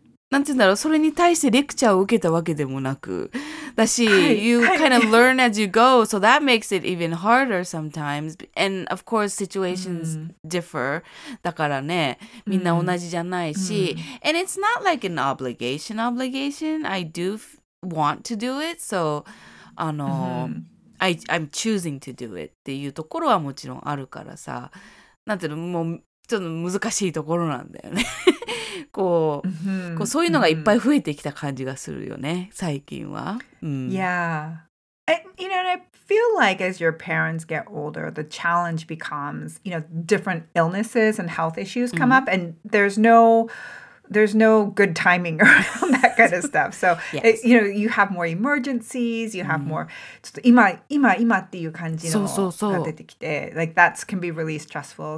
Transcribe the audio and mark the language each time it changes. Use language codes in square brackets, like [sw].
[ja] なんて言うんだろう、それに対してレクチャーを受けたわけでもなく。だし、 [en] you kind of learn as you go, so that makes it even harder sometimes. And of course, situations differ. [ja] だからね、みんな同じじゃないし。 [en] And it's not like an obligation. I do want to do it, so... I'm choosing to do it [ja] っていうところはもちろんあるからさ、なんていうの、もうちょっと難しいところなんだよね。こう、こうそういうのがいっぱい増えてきた感じがするよね、最近は。 [en] Yeah. And, you know, I feel like as your parents get older, the challenge becomes, you know, different illnesses and health issues come up, and there's no good timing around that kind of stuff. So, yes. You know, you have more emergencies, you have more, [ja] ちょっと今っていう感じのが出てきて、 [en] like that can be really stressful.